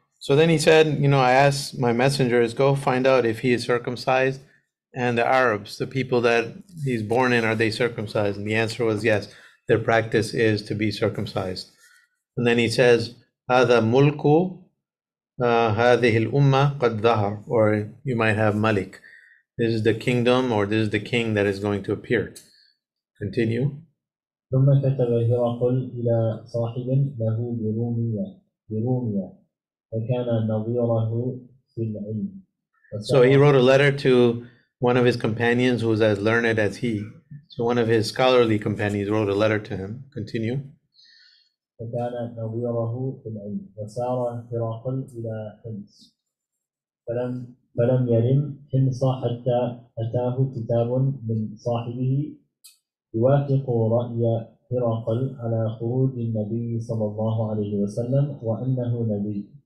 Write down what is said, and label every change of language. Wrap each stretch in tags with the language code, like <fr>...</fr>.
<en>So then he said, you know, I asked my messengers, go find out if he is circumcised, and the Arabs, the people that he's born in, are they circumcised? And the answer was yes, their practice is to be circumcised. And then he says,</en> <ar>"Hada mulku hadhihi al-umma qad dhahar,"</ar> <en>or you might have malik. This is the kingdom, or this is the king that is going to appear. Continue.</en> <ar>ثم كتب هرقل إلى صاحب له برومية فكان نظيره في العلم.</ar> <en>So he wrote a letter to one of his companions who was as learned as he. So one of his scholarly companions wrote a letter to him. Continue.</en> <ar>فكان نظيره في العلم وسار هرقل إلى حمص فلم يرم حمص حتى أتاه كتاب من صاحبه يوافق رأي هرقل على خروج النبي صلى الله عليه وسلم وأنه نبي.</ar>